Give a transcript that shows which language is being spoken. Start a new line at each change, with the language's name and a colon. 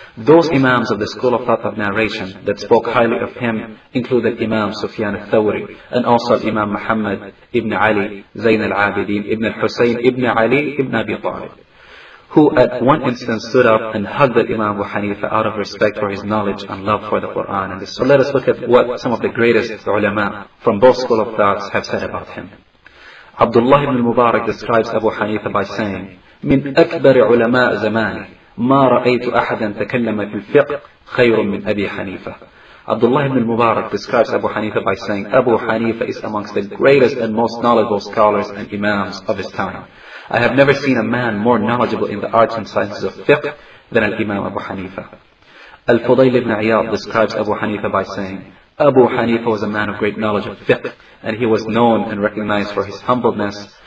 English: Those imams of the school of thought of narration that spoke highly of him included Imam Sufyan al-Thawri and also Imam Muhammad ibn Ali, Zayn al-Abidin, ibn al-Husayn, ibn Ali, ibn Abi Talib, who at one instance stood up and hugged the Imam Abu Hanifa out of respect for his knowledge and love for the Quran. And so let us look at what some of the greatest ulama from both school of thoughts have said about him. Abdullah ibn Mubarak describes Abu Hanifa by saying,
Arabic: "من أكبر علماء زماني ما رأيت أحدا تكلم في الفقه خير من أبي حنيفة."
English: Abdullah ibn Mubarak describes Abu Hanifa by saying, "Abu Hanifa is amongst the greatest and most knowledgeable scholars and imams of his time. I have never seen a man more knowledgeable in the arts and sciences of fiqh than al-Imam Abu Hanifa." Al-Fudayl ibn Iyad describes Abu Hanifa by saying, "Abu Hanifa was a man of great knowledge of fiqh, and he was known and recognized for his humbleness.